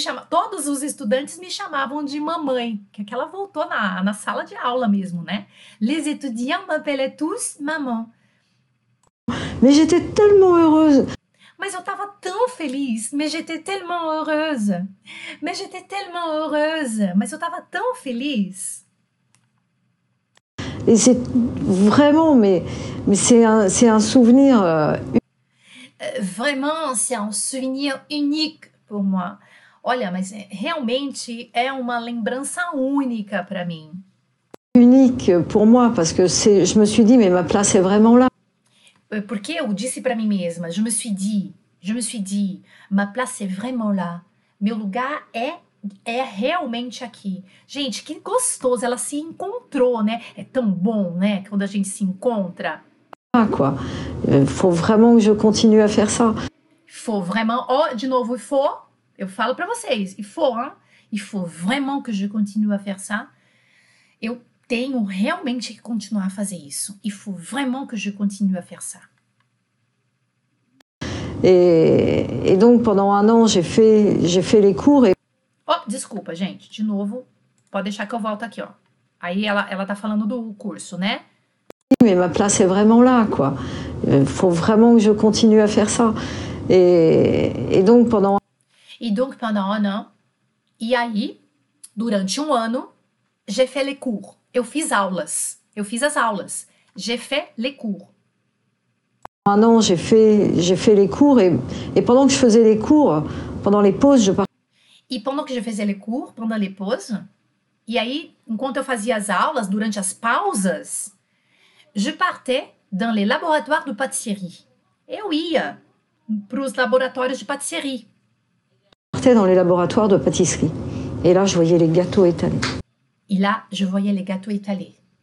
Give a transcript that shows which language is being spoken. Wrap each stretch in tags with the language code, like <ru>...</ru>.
<pt>Todos os estudantes me chamavam de mamãe, que é que ela voltou na sala de aula mesmo, né?</pt> <fr>Les étudiants m'appelaient tous maman. Mais j'étais tellement heureuse.</fr> <pt>Mas eu estava tão feliz,</pt> <fr>mais j'étais tellement heureuse. Mais j'étais tellement heureuse,</fr> <pt>mas eu estava tão feliz.</pt> <fr>Et c'est vraiment, mais c'est un souvenir. Vraiment, c'est un souvenir unique pour moi.</fr> <pt>Olha, mas realmente é uma lembrança única para mim.</pt> <fr>Unique pour moi, parce que c'est, je me suis dit, mais ma place est vraiment là.</fr> <pt>Porque eu disse para mim mesma,</pt> <fr>je me suis dit, ma place est vraiment là.</fr> <pt>Meu lugar é realmente aqui. Gente, que gostoso, ela se encontrou, né? É tão bom, né, quando a gente se encontra.</pt> <fr>Ah, quoi, il faut vraiment que je continue à faire ça. Faut vraiment,</fr> <pt>de novo, eu falo para vocês,</pt> <fr>il faut vraiment que je continue à faire ça.</fr> <pt>Eu tenho realmente que continuar a fazer isso.</pt> <fr>Il faut vraiment que je continue à faire ça. Et donc pendant un an, j'ai fait les cours et</fr> <pt>Oh, desculpa, gente, de novo. Pode deixar que eu volto aqui, ó. Aí ela tá falando do curso, né?</pt> <fr>mais ma place est vraiment là, quoi. Il faut vraiment que je continue à faire ça. Et donc pendant E donc pendant un an.</fr> <pt>E aí, durante um ano,</pt> <fr>j'ai fait les cours.</fr> <pt>Eu fiz aulas. Eu fiz as aulas.</pt> <fr>J'ai fait les cours. un an, j'ai fait les cours et pendant que je faisais les cours, pendant les pauses, je E pendant que je faisais les cours, pendant les pauses,</fr> <pt>e aí, enquanto eu fazia as aulas, durante as pausas,</pt> <fr>je partais dans les laboratoires de pâtisserie.</fr> <pt>Eu ia para os laboratórios de pâtisserie.</pt> <fr>Dans les laboratoires de pâtisserie. Et là, je voyais les gâteaux étalés. E là, je voyais les gâteaux étalés.</fr>